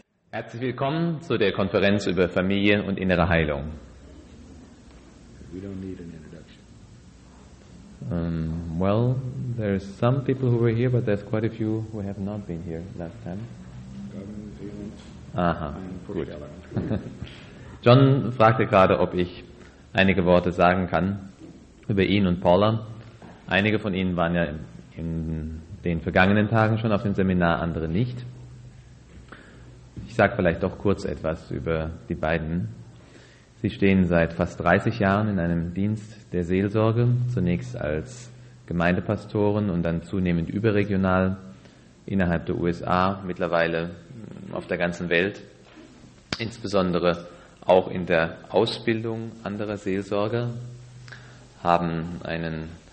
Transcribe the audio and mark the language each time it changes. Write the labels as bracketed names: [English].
[German] Herzlich willkommen zu der Konferenz über Familie und innere Heilung. [English] We don't need an introduction. Well, there are some people who were here, but there's quite a few who have not been here last time. [German] Gut. John fragte gerade, ob ich einige Worte sagen kann über ihn und Paula. Einige von ihnen waren ja in den vergangenen Tagen schon auf dem Seminar, andere nicht. Ich sage vielleicht doch kurz etwas über die beiden. Sie stehen seit fast 30 Jahren in einem Dienst der Seelsorge, zunächst als Gemeindepastoren und dann zunehmend überregional innerhalb der USA, mittlerweile auf der ganzen Welt, insbesondere auch in der Ausbildung anderer Seelsorger, haben einen